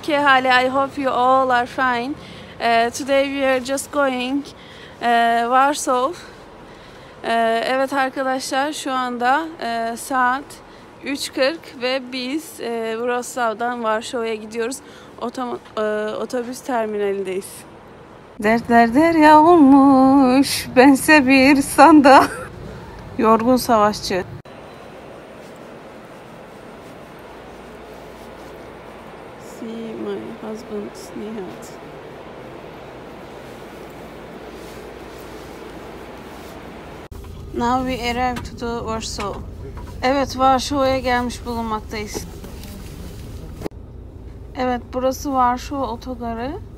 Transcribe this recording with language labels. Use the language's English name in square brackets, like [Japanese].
[English] Ke hali, I hope you all are fine. Today we are just going Warsaw. [Turkish] Evet arkadaşlar, şu anda saat 3.40 ve biz Wrocław'dan Warsaw'ya gidiyoruz. Otobüs terminalindeyiz. Dertler derya olmuş, bense bir sanda. Yorgun savaşçı. [English] See my husband Nihat. Now we arrive to the Warsaw. [Turkish] Evet, Warsaw'ya gelmiş bulunmaktayız. Evet, burası Warsaw otogarı.